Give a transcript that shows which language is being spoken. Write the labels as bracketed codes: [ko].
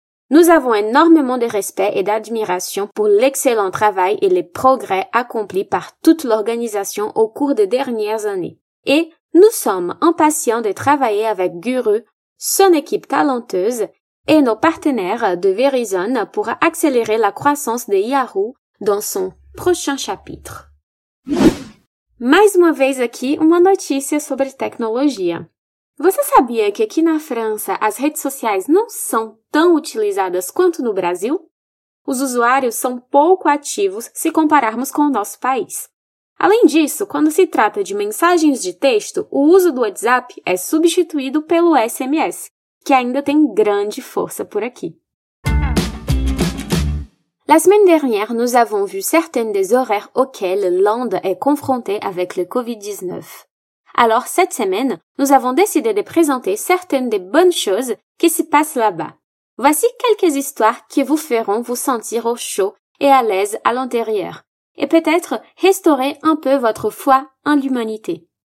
[fr] Nous avons énormément de respect et d'admiration pour l'excellent travail et les progrès accomplis par toute l'organisation au cours des dernières années. Et nous sommes impatients de travailler avec Guru, son équipe talenteuse et nos partenaires de Verizon pour accélérer la croissance de Yahoo dans son prochain chapitre. [pt] Mais uma vez aqui, uma notícia sobre tecnologia. Você sabia que aqui na França as redes sociais não são tão utilizadas quanto no Brasil? Os usuários são pouco ativos se compararmos com o nosso país. Além disso, quando se trata de mensagens de texto, o uso do WhatsApp é substituído pelo SMS, que ainda tem grande força por aqui. [fr] La semaine dernière, nous avons vu certaines des horaires auxquels l'Inde est confrontée avec le COVID-19. Alors cette semaine, nous avons décidé de présenter certaines des bonnes choses qui se passent là-bas. Voici quelques histoires qui vous feront vous sentir au chaud et à l'aise à l'intérieur, et peut-être restaurer un peu votre foi en l'humanité.